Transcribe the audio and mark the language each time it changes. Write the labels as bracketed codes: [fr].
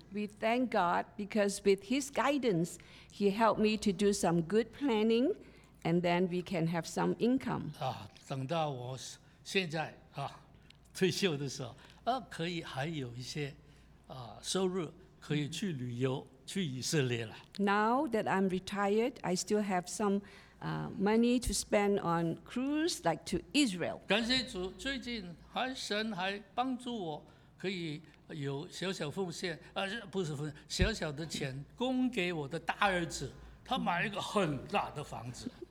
[en] We thank God because with His guidance, He helped me to do some good planning, and then we can have some income. [zh] 啊，等到我现在啊退休的时候，可以还有一些收入，可以去旅游。去以色列了。 [en] Now that I'm retired, I still have some money to spend on cruise, like to Israel. [zh] 感谢主，最近还神还帮助我，可以有小小奉献，不是奉献，小小的钱供给我的大儿子，他买了一个很大的房子。